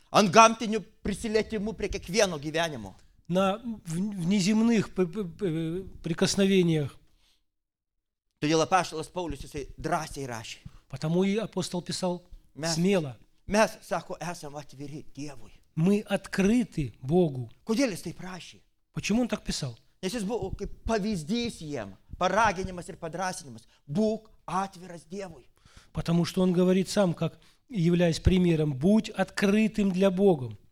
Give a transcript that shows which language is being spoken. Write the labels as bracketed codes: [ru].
[lt] Antgamtiniu prisilietimu prie kiekvieno gyvenimo. [ru] На внеземных прикосновениях. [lt] Todėl apaštalas Paulius jisai drąsiai rašė. [ru] Потому и апостол писал смело. [lt] Mes, sako, esam atviri Dievui. [ru] Мы открыты Богу. [lt] Kodėl jis taip rašė? [ru] Почему он так писал? [lt] Nes jis buvo kaip pavyzdys jiem, paraginimas ir padrasinimas. Būk atviras Dievui. [ru] Потому что он говорит сам, как являясь примером, будь открытым для Бога.